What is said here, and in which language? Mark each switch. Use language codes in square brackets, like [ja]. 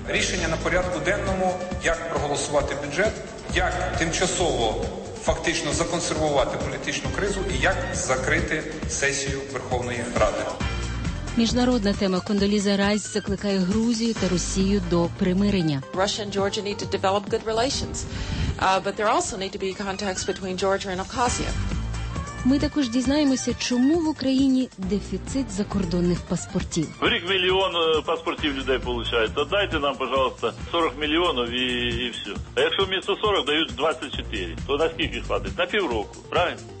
[uk] Рішення на порядку денному, як проголосувати бюджет, як тимчасово фактично законсервувати політичну кризу і як закрити сесію Верховної Ради. Міжнародна тема. Кондоліза Райс закликає Грузію та Росію до примирення. [en] Russia and Georgia need to develop good relations, but there also need to be contacts between Georgia and Abkhazia. [uk] Ми також дізнаємося, чому в Україні дефіцит закордонних паспортів. В рік мільйон паспортів людей получають. То дайте нам, пожалуйста, 40 мільйонів і все. А якщо вмісто 40 дають 24, то на скільки хватить? На півроку, правильно?